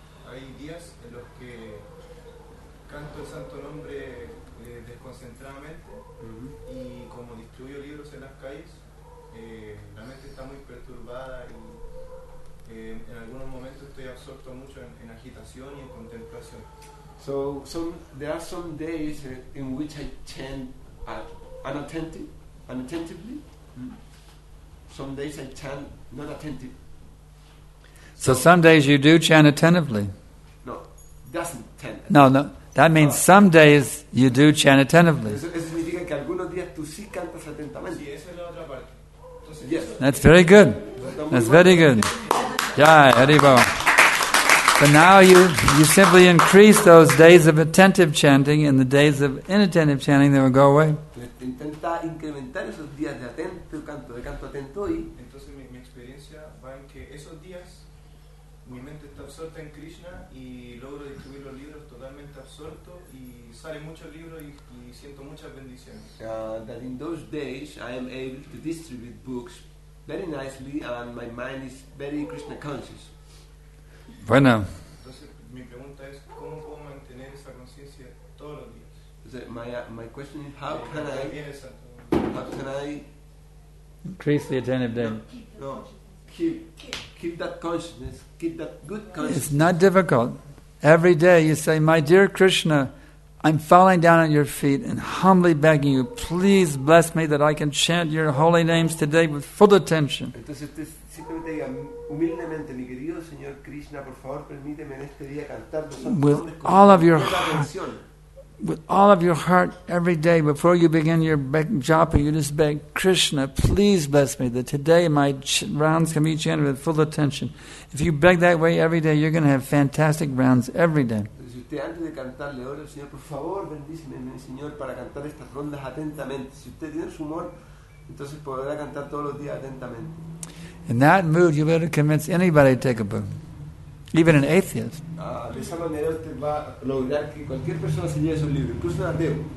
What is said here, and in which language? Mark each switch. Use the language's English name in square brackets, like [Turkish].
[Spanish] Hay días en los que canto el santo nombre desconcentradamente y como distribuyo libros en las calles, la mente está muy perturbada y en algunos momentos estoy absorto mucho en agitación y en contemplación. [English] So there are some days in which I chant unattentively. Mm-hmm. Some days I chant not attentive. So some days you do chant attentively. No, doesn't chant. No, no. That means some days you do chant attentively. [Spanish] Eso significa que algunos días tú sí cantas atentamente. Sí, esa es la otra parte. [English] Yes. That's very good. That's very good. Jai, Hari Baba. But now you simply increase those days of attentive chanting, and the days of inattentive chanting, they will go away. [Spanish] Intenta incrementar esos días de atento canto, de canto atento, y entonces mi experiencia va en que esos días mi mente está absorta en Krishna y logro distribuir los libros totalmente absorto y sale muchos libros y siento muchas bendiciones. [English] That in those days I am able to distribute books very nicely and my mind is very Krishna conscious. [Spanish] Bueno. Entonces mi pregunta es cómo puedo mantener esa conciencia todos los días. [English] My question is how can I increase the attentive day? No, keep that consciousness, keep that good consciousness. It's not difficult. Every day you say, "My dear Krishna, I'm falling down at your feet and humbly begging you, please bless me that I can chant your holy names today with full attention." [Spanish] Entonces tú simplemente digas humildemente, mi querido señor Krishna, por favor permíteme en este día cantar tus santos nombres con [English] all of your heart. With all of your heart, every day, before you begin your japa, you just beg, Krishna, please bless me, that today my rounds can be chanted with full attention. If you beg that way every day, you're going to have fantastic rounds every day. [Spanish] Si usted antes de cantarle oro, Señor, por favor, bendíceme, Señor, para cantar estas rondas atentamente. Si usted tiene su humor, entonces podrá cantar todos los días atentamente. [English] In that mood, you'll be able to convince anybody to take a book. Even an atheist. [Spanish] De esa manera usted va a lograr que cualquier persona se lleve su libro, incluso un ateo.